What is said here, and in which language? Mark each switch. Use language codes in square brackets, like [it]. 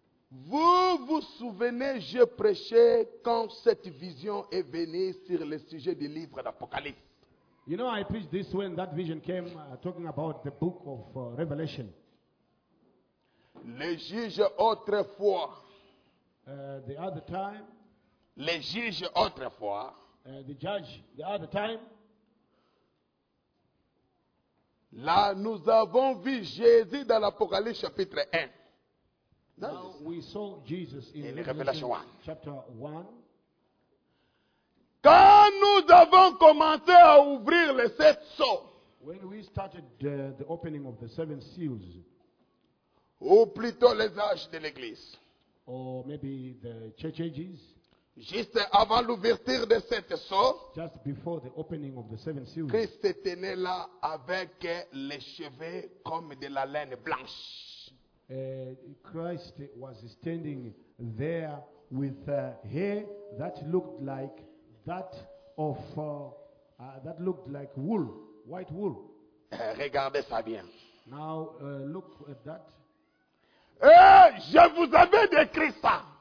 [fr] Vous vous souvenez, je prêchais quand cette vision est venue sur le sujet du livre d'Apocalypse. [en] You know, I preached this when that vision came, talking about the book of Revelation. [fr] Les juges autrefois. [en] The other time. [fr] Les juges autrefois. [en] The judge, the other time. [fr] Là, nous avons vu Jésus dans l'Apocalypse chapitre 1. [en] Now we saw Jesus in Revelation 1. Chapter 1. [fr] Quand nous avons commencé à ouvrir les sept sceaux. [en] When we started the opening of the seven seals. [fr] Ou plutôt les âges de l'église. [en] Or maybe the church ages. [fr] Juste avant l'ouverture des sept sceaux. [en] Just before the opening of the seven seals. [fr] Christ se tenait là avec les cheveux comme de la laine blanche. [en] Christ was standing there with hair that looked like that of that looked like wool, white wool. [fr] Regardez ça bien. [en] Now look at that. [fr] Je vous avais décrit ça.